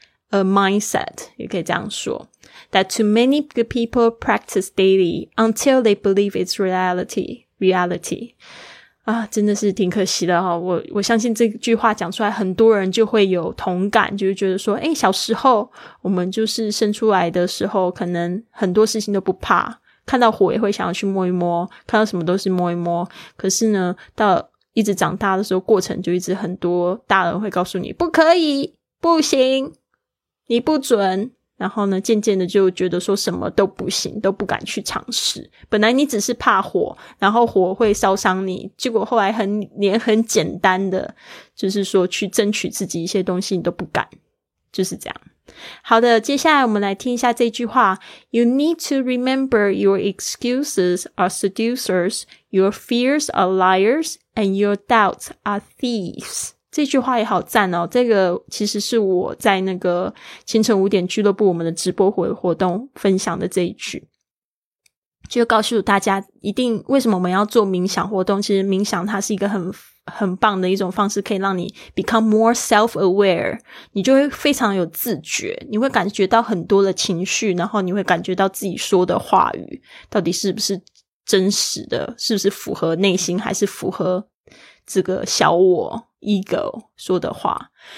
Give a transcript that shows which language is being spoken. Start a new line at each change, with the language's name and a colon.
English: A mindset,
Chinese: 也可以这样说
English: that too many good people practice daily until they believe it's reality.
Chinese: 啊，真的是挺可惜的哦。我相信这句话讲出来很多人就会有同感，就是觉得说诶，小时候我们就是生出来的时候可能很多事情都不怕，看到火也会想要去摸一摸，看到什么都是摸一摸，可是呢到一直长大的时候过程就一直很多大人会告诉你不可以，不行，你不准，然后呢渐渐的就觉得说什么都不行，都不敢去尝试，本来你只是怕火，然后火会烧伤你，结果后来连很简单的就是说去争取自己一些东西你都不敢，就是这样。好的，接下来我们来听一下这句话。
English: You need to remember your excuses are seducers, your fears are liars, and your doubts are thieves.
Chinese: 这句话也好赞哦，这个其实是我在那个清晨五点俱乐部我们的直播活动分享的这一句，就告诉大家一定为什么我们要做冥想活动，其实冥想它是一个很棒的一种方式，可以让你
English: become more self-aware，
Chinese: 你就会非常有自觉，你会感觉到很多的情绪，然后你会感觉到自己说的话语到底是不是真实的，是不是符合内心，还是符合这个小我ego 说的话。